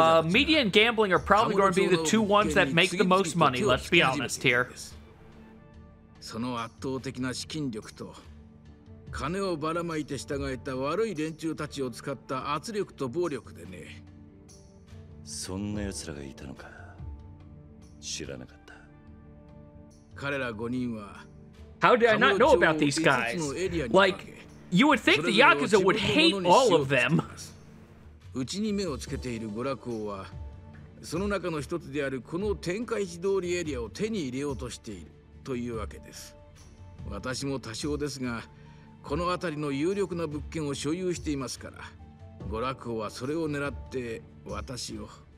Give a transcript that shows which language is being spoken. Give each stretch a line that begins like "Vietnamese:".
English: Media and gambling are probably going to be the two ones that make the most money, let's be honest here.
Japanese: その圧倒的な資金力と金をばらまいて従えた悪い連中たちを使った圧力と暴力でね。そんな奴らがいたのか知らなかった。彼ら5人は
English: How did I not know about these guys? Like, you would think the Yakuza would hate all of them.
Japanese: うちに目をつけている娯楽王は、その中の一つであるこの天下一通りエリアを手に入れようとしているというわけです。私も多少ですが、この辺りの有力な物件を所有していますから、娯楽王はそれを狙って私を。